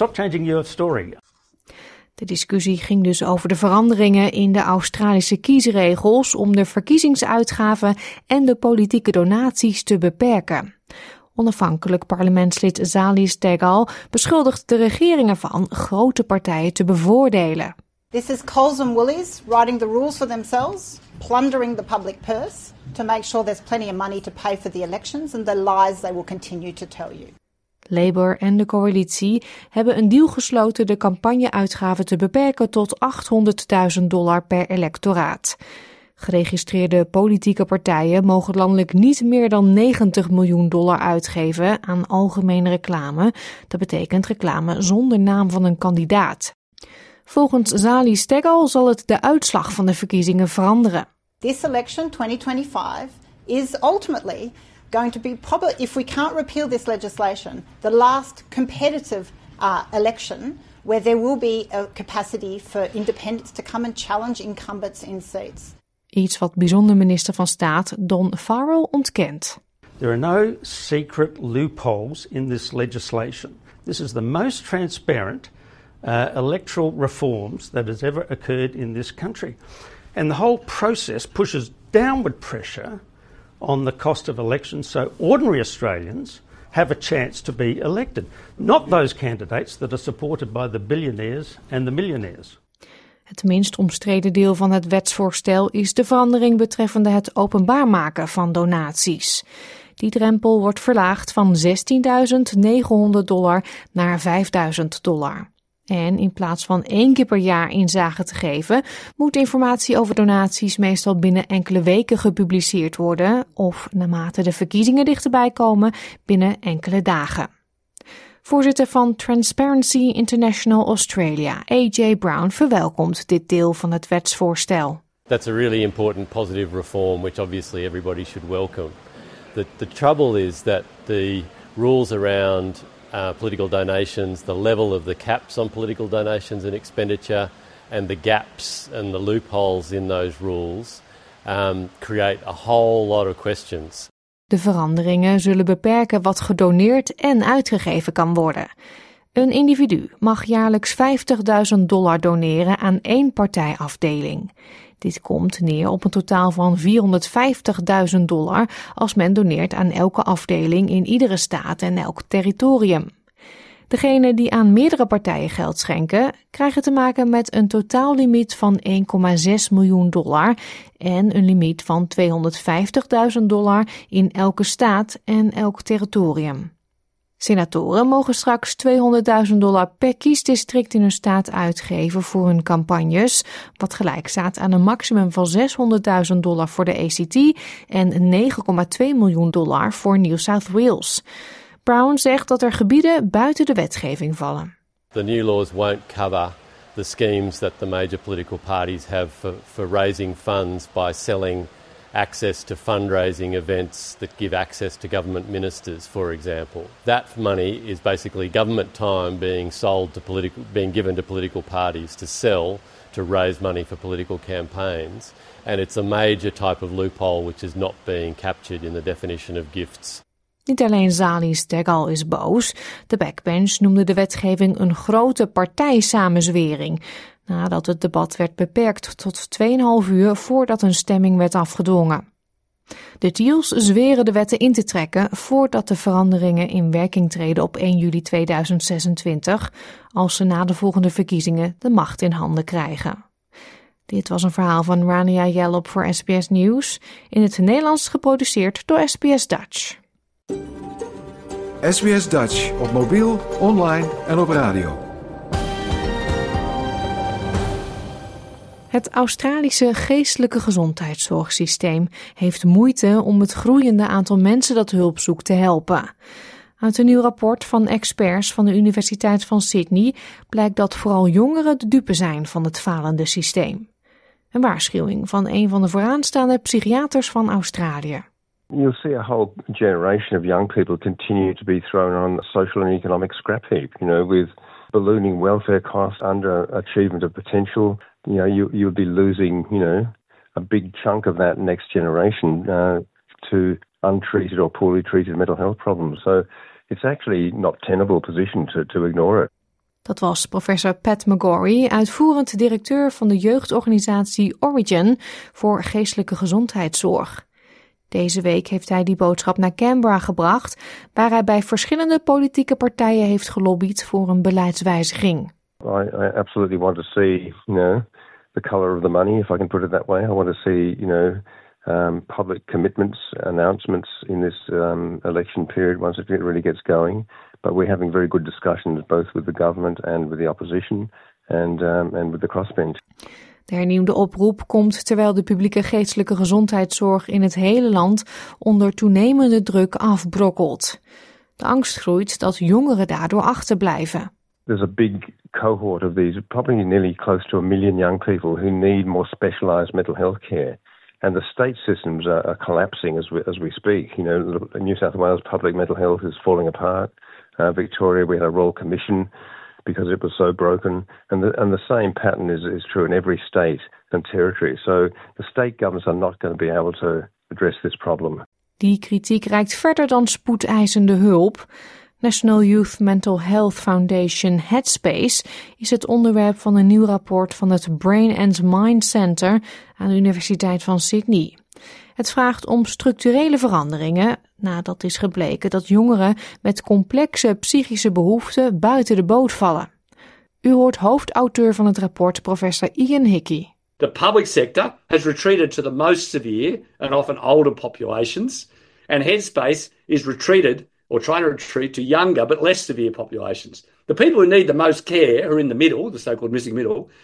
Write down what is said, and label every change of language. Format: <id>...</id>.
<nl>De discussie ging dus over de veranderingen in de Australische kiesregels om de verkiezingsuitgaven en de politieke donaties te beperken. Onafhankelijk parlementslid Zali Stegall beschuldigt de regeringen van grote partijen te bevoordelen.</nl> <en>This is Coles and Woolies writing the rules for themselves, plundering the public purse to make sure there's plenty of money to pay for the elections and the lies they will continue to tell you.</en> <nl>Labour en de coalitie hebben een deal gesloten de campagneuitgaven te beperken tot $800,000 per electoraat. Geregistreerde politieke partijen mogen landelijk niet meer dan $90 miljoen uitgeven aan algemene reclame. Dat betekent reclame zonder naam van een kandidaat. Volgens Zali Stegall zal het de uitslag van de verkiezingen veranderen.</nl> <en>This election 2025 is ultimately going to be probably, if we can't repeal this legislation, the last competitive election where there will be a capacity for independents to come and challenge incumbents in seats.</en> <nl>Iets wat bijzonder minister van Staat Don Farrell ontkent.</nl> <en>There are no secret loopholes in this legislation. This is the most transparent electoral reforms that has ever occurred in this country. And the whole process pushes downward pressure on the cost of elections so ordinary Australians have a chance to be elected. Not those candidates that are supported by the billionaires and the millionaires.</en> <nl>Het minst omstreden deel van het wetsvoorstel is de verandering betreffende het openbaar maken van donaties. Die drempel wordt verlaagd van $16,900 naar $5,000. En in plaats van één keer per jaar inzage te geven, moet informatie over donaties meestal binnen enkele weken gepubliceerd worden of naarmate de verkiezingen dichterbij komen binnen enkele dagen. Voorzitter van Transparency International Australia, AJ Brown, verwelkomt dit deel van het wetsvoorstel.</nl> <en>That's a really important positive reform which obviously everybody should welcome. The trouble is that the rules around political donations, the level of the caps on political donations and expenditure, and the gaps and the loopholes in those rules create a whole lot of questions.</en> <nl>De veranderingen zullen beperken wat gedoneerd en uitgegeven kan worden. Een individu mag jaarlijks $50,000 doneren aan één partijafdeling. Dit komt neer op een totaal van $450,000 als men doneert aan elke afdeling in iedere staat en elk territorium. Degenen die aan meerdere partijen geld schenken, krijgen te maken met een totaallimiet van $1.6 miljoen en een limiet van $250.000 in elke staat en elk territorium. Senatoren mogen straks $200.000 per kiesdistrict in hun staat uitgeven voor hun campagnes, wat gelijk staat aan een maximum van $600.000 voor de ACT en $9.2 miljoen voor New South Wales. Brown zegt dat er gebieden buiten de wetgeving vallen.</nl> <en>The new laws won't cover the schemes that the major political parties have for raising funds by selling access to fundraising events that give access to government ministers, for example. That money is basically government time being sold to political, being given to political parties to sell to raise money for political campaigns, and it's a major type of loophole which is not being captured in the definition of gifts.</en> <nl>Niet alleen Zali Steggall is boos. De backbench noemde de wetgeving een grote partijsamenzwering. Nadat het debat werd beperkt tot 2,5 uur voordat een stemming werd afgedwongen. De Teals zweren de wetten in te trekken voordat de veranderingen in werking treden op 1 juli 2026, als ze na de volgende verkiezingen de macht in handen krijgen. Dit was een verhaal van Rania Yallop voor SBS Nieuws, in het Nederlands geproduceerd door SBS Dutch. SBS Dutch op mobiel, online en op radio. Het Australische geestelijke gezondheidszorgsysteem heeft moeite om het groeiende aantal mensen dat hulp zoekt te helpen. Uit een nieuw rapport van experts van de Universiteit van Sydney blijkt dat vooral jongeren de dupe zijn van het falende systeem. Een waarschuwing van een van de vooraanstaande psychiaters van Australië.</nl> <en>You'll see a whole generation of young people continue to be thrown on social and economic scrap heap, you know, with ballooning welfare costs under achievement of potential. You know, you'll be losing, you know, a big chunk of that next generation to untreated or poorly treated mental health problems. So it's actually not tenable position to ignore it.</en> <nl>Dat was professor Pat McGorry, uitvoerend directeur van de jeugdorganisatie Origin voor geestelijke gezondheidszorg. Deze week heeft hij die boodschap naar Canberra gebracht, waar hij bij verschillende politieke partijen heeft gelobbyd voor een beleidswijziging.</nl> <en>I absolutely want to see, you know, the colour of the money, if I can put it that way. I want to see, you know, public commitments, announcements in this election period once it really gets going. But we're having very good discussions both with the government and with the opposition and with the crossbench.</en> <nl>De hernieuwde oproep komt terwijl de publieke geestelijke gezondheidszorg in het hele land onder toenemende druk afbrokkelt. De angst groeit dat jongeren daardoor achterblijven.</nl> <en>There's a big cohort of these, probably nearly close to 1 million young people who need more specialized mental health care. And the state systems are collapsing as we speak. You know, New South Wales public mental health is falling apart. Victoria, we had a royal commission because it was so broken. And the same pattern is true in every state and territory. So the state governments are not going to be able to address this problem.</en> <nl>Die kritiek reikt verder dan spoedeisende hulp. National Youth Mental Health Foundation Headspace is het onderwerp van een nieuw rapport van het Brain and Mind Center aan de Universiteit van Sydney. Het vraagt om structurele veranderingen nadat is gebleken dat jongeren met complexe psychische behoeften buiten de boot vallen. U hoort hoofdauteur van het rapport, professor Ian Hickey.</nl> <en>The public sector has retreated to the most severe and often older populations, and Headspace is retreated or trying to retreat to younger but less severe populations. The people who need the most care are in the middle, the so-called missing middle.</en>